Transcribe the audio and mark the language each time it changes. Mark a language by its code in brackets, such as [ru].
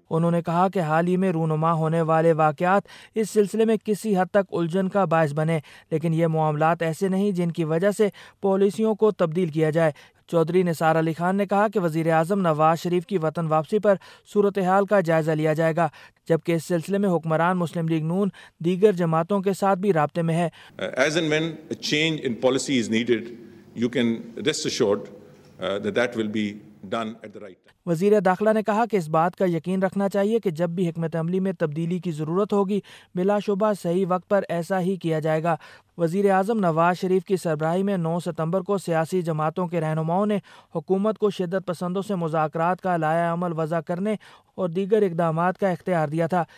[ur] انہوں نے کہا کہ حال ہی میں رونما ہونے والے واقعات اس سلسلے میں کسی حد تک الجھن کا باعث بنے، لیکن یہ معاملات ایسے نہیں جن کی وجہ سے پالیسیوں کو تبدیل کیا جائے. چودھری نثار علی خان نے کہا کہ وزیر اعظم نواز شریف کی وطن واپسی پر صورتحال کا جائزہ لیا جائے گا، جبکہ اس سلسلے میں حکمران مسلم لیگ نون دیگر جماعتوں کے ساتھ بھی رابطے میں ہے. [en] As and when a change in policy is needed, you can rest assured that that will be done at the right time. [ur] وزیر داخلہ نے کہا کہ اس بات کا یقین رکھنا چاہیے کہ جب بھی حکمت عملی میں تبدیلی کی ضرورت ہوگی بلا شبہ صحیح وقت پر ایسا ہی کیا جائے گا. وزیر اعظم نواز شریف کی سربراہی میں 9 ستمبر کو سیاسی جماعتوں کے رہنماؤں نے حکومت کو شدت پسندوں سے مذاکرات کا لائے عمل وضع کرنے اور دیگر اقدامات کا اختیار دیا تھا.